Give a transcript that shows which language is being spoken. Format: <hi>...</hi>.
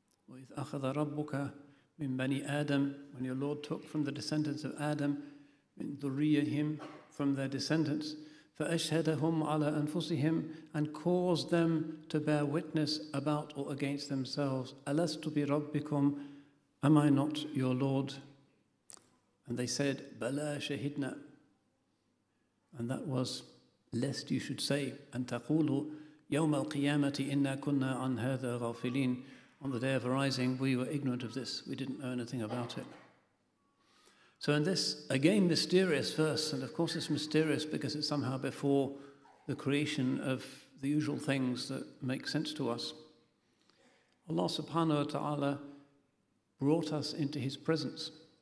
<ar>وَإِذْ أَخَذَ رَبُّكَ مِنْ بَنِي آدَمْ,</ar> <en>when your Lord took from the descendants of Adam,</en> <ar>مِنْ ذُرِّيَّهِمْ,</ar> <en>from their descendants,</en> <ar>فَأَشْهَدَهُمْ عَلَىٰ أَنفُسِهِمْ,</ar> <en>and caused them to bear witness about or against themselves,</en> <ar>أَلَسْتُ بِرَبِّكُمْ,</ar> <en>am I not your Lord? And they said,</en> <ar>Bala shahidna.</ar> <en>And that was, lest you should say,</en> <ar>أَن تَقُولُوا يوم القيامة إنا كنا عن هذا غافلين.</ar> <en>On the day of arising, we were ignorant of this. We didn't know anything about it. So in this, again, mysterious verse, and of course it's mysterious because it's somehow before the creation of the usual things that make sense to us, Allah subhanahu wa ta'ala brought us into his presence.</en>